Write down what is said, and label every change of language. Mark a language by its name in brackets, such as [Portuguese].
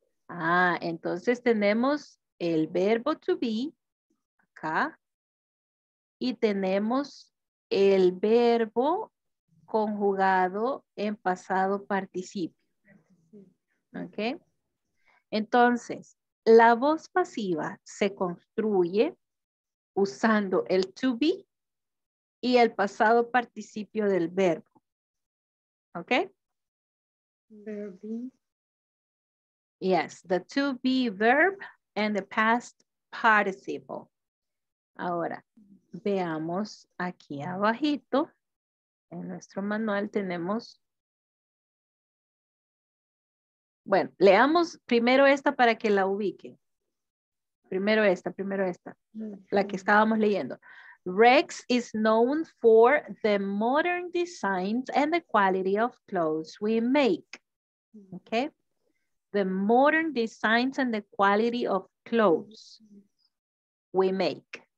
[Spanish] Ah, entonces tenemos el verbo to be acá y tenemos el verbo conjugado en pasado participio. Ok, entonces la voz pasiva se construye usando el to be y el pasado participio del verbo. Ok, [English] verb. Yes, the to be verb and the past participle. [Spanish] Ahora veamos aquí abajito en nuestro manual tenemos. Bueno, leamos primero esta para que la ubiquen. Primero esta. La que estábamos leyendo. [English] Rex is known for the modern designs and the quality of clothes we make. Okay? The modern designs and the quality of clothes we make.